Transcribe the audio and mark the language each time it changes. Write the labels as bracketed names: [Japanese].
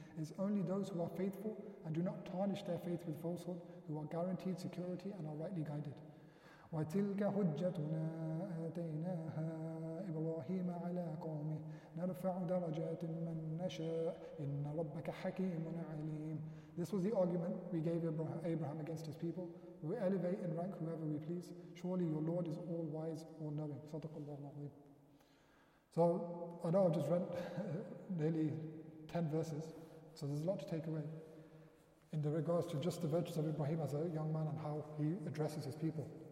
[English] It's only those who are faithful and do not tarnish their faith with falsehood who are guaranteed security and are rightly guided. [Arabic] وتلك حجتنا آتيناها إبراهيم على قومه نرفع درجات من نشاء إن ربك حكيم عليم. [English] This was the argument we gave Abraham against his people. We elevate and rank whoever we please. Surely your Lord is all wise, all knowing. Sadaq Allah al-Azim. So I know I've just read nearly 10 verses, so there's a lot to take away in the regards to just the virtues of Ibrahim as a young man and how he addresses his people.